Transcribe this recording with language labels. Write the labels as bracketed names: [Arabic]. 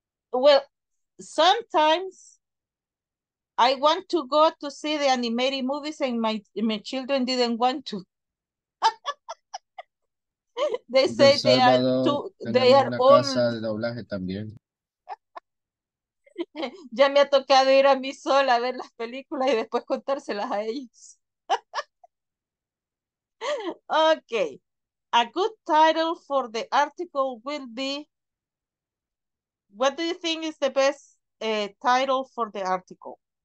[English] Well, sometimes I want to go to see the animated movies and my children didn't want to. They say they are too, they are old. [Spanish] Casa de doblaje también. Ya me ha tocado ir a mí sola a ver las películas y después contárselas a ellos. [English] Okay. A good title for the article will be, what do you think is the best title for the article?